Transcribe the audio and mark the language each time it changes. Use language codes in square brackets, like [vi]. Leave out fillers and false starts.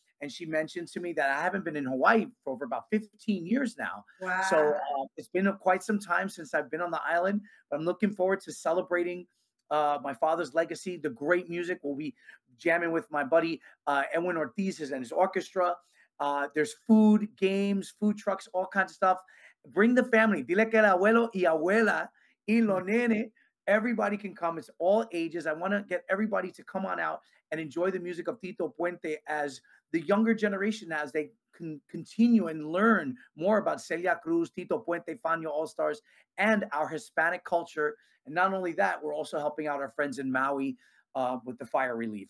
[en] And she mentioned to me that I haven't been in Hawaii for over about 15 years now. Wow. So it's been quite some time since I've been on the island. But I'm looking forward to celebrating my father's legacy, the great music. We'll be jamming with my buddy Edwin Ortiz and his orchestra. There's food, games, food trucks, all kinds of stuff. Bring the family. [es] Dile que el abuelo y abuela y los nene. [en] Everybody can come. It's all ages. I want to get everybody to come on out and enjoy the music of Tito Puente as the younger generation, as they can continue and learn more about Celia Cruz, Tito Puente, Fania All-Stars, and our Hispanic culture. And not only that, we're also helping out our friends in Maui with the fire relief.